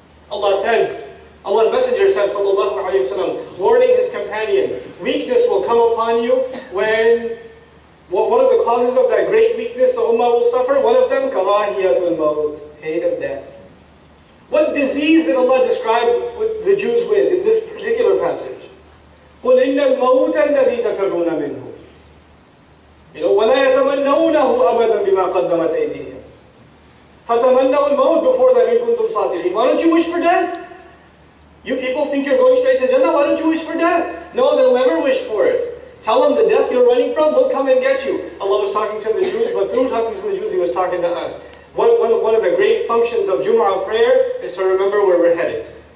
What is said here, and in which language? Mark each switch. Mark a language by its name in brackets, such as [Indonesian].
[English] Allah says, Allah's Messenger says, sallallahu alayhi wa sallam, warning his companions, weakness will come upon you when one of the causes of that great weakness the ummah will suffer, one of them, karahiyatul maut, hate of death. What disease did Allah describe with the Jews with in this particular passage? [Arabic] قُلْ إِنَّ الْمَوْتَ الَّذِي تَفَرُّونَ مِنْهُ. [English] You know, [Arabic] وَلَا يَتَمَنَّوْنَهُ أَبَدًا بِمَا قَدَّمَتْ أَيْدِيهِ. فَتَمَنَّوا الْمَوْتِ [English] before that in [Arabic] كُنْتُمْ صَادِقِينَ. [English] Why don't you wish for death? You people think you're going straight to Jannah, why don't you wish for death? No, they'll never wish for it. Tell them the death you're running from, we'll come and get you. Allah was talking to the Jews, but through talking to the Jews, He was talking to us. One of the great functions of Jummah prayer is to remember where we're headed.